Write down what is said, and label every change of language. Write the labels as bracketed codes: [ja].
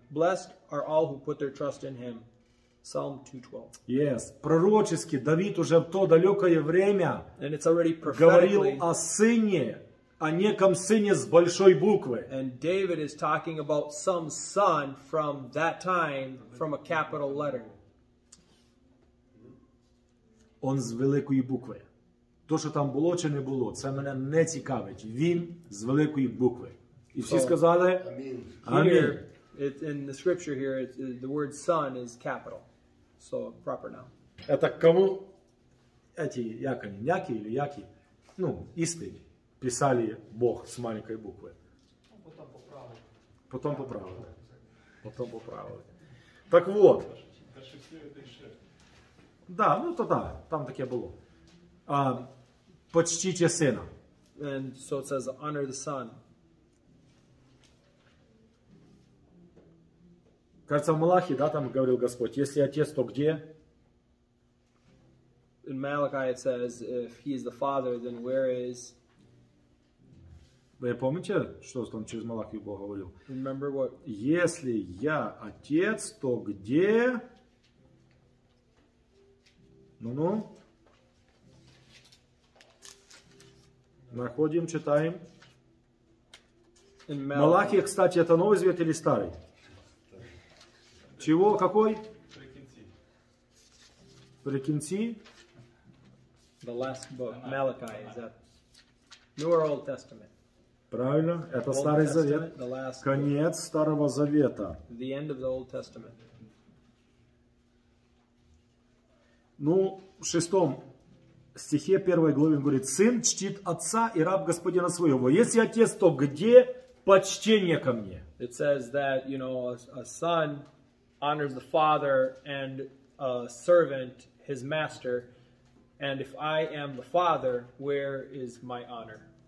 [en] Blessed are all who put their trust in him. Psalm 2:12. Yes. [ru] Пророчески Давид уже в то далекое время говорил о сыне, о неком сыне с большой буквы. [en] And David is talking about some son from that time, from a capital letter. [ru] Он с великой буквы. То, что там было, что не было, [uk] це мене не цікавить. Він з великої букви. І всі сказали, амінь. [en] In the scripture here, the word son is capital. So, proper noun. [ru] Это кому? Эти, як они, няки или які? Ну, істинні. [uk] Писали Бог з маленької букви. [ru] Потом поправили. Потом поправили. Так вот. Да, ну то да, [uk] там таке було. [ru] Почтите сына. [en] And so it says, honor the son. [ru] Кажется, в Малахи, да, там говорил Господь, если отец, то где? [en] In Malachi it says, if he is the father, then where is... [ru] Вы помните, что там через Малахи Бог говорил? [en] Remember what... [ru] Если я отец, то где? Ну-ну. Находим, читаем. Малахия, кстати, это Новый Завет или Старый? Чего? Какой? Прикинти. [en] The last book, Malachi, is that New or Old Testament? [ru] Правильно, это [en] Old [ru] Старый Завет. Конец Старого Завета. [en] The end of the Old Testament. [ru] Ну, в шестом. В стихе 1 главе говорит, сын чтит отца и раб господина своего. Если отец, то где почтение ко мне? [en] It says that, you know, a son honors the father and a servant his master. And if I am the father, where is my honor?